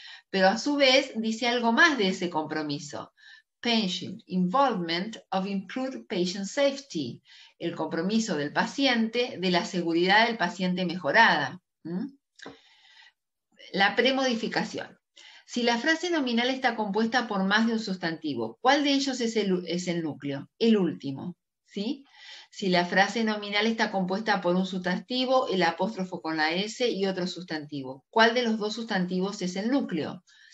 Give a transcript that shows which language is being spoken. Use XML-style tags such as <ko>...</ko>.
<es>Pero a su vez dice algo más de ese compromiso.</es> <en>Patient involvement of improved patient safety.</en> <es>El compromiso del paciente, de la seguridad del paciente mejorada. La premodificación. Si la frase nominal está compuesta por más de un sustantivo, ¿cuál de ellos es el núcleo? El último, ¿sí? Si la frase nominal está compuesta por un sustantivo, el apóstrofo con la S y otro sustantivo, ¿cuál de los dos sustantivos es el núcleo?</es>